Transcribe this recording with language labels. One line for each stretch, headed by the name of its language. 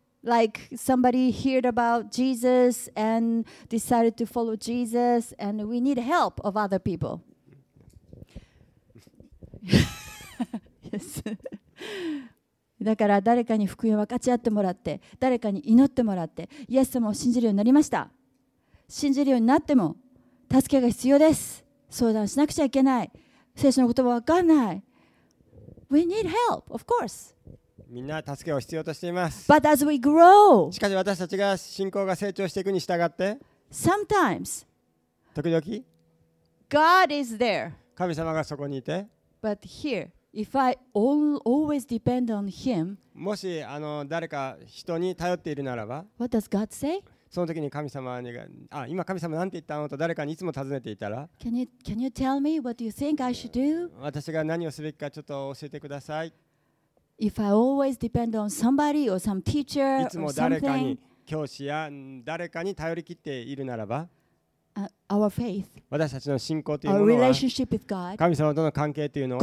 English: Like somebody heard about Jesus and decided to follow Jesus and we need help of other people. yes.
Japanese: だから誰かに福音を分かち合ってもらって、誰かに祈ってもらって、イエス様を信じるようになりました。信じるようになっても助けが必要です。相談しなくちゃいけない。聖書の言葉分かんない。
English: We need help, of course.
Japanese: みんな助けを必要としています。
English: But as we grow,
Japanese: しかし私たちが信仰が成長していくに従って、
English: Sometimes
Japanese: 時
English: 々 God is there,
Japanese: 神様がそこにいて、
English: But hereIf I always depend on him,
Japanese: もし誰か人に頼っているならば、
English: What does God say?
Japanese: その時に神様に、今神様なんて言ったのと誰かにいつも尋ねていたら、
English: Can you tell me what you think I should do?
Japanese: 私が何をすべきかちょっと教えてください。
English: If I always depend on somebody or some teacher or something,
Japanese: いつも誰かに、教師や誰かに頼りきっているならば、
English: Our faith,
Japanese: 私たちの信仰というものは、神様との関係というのは、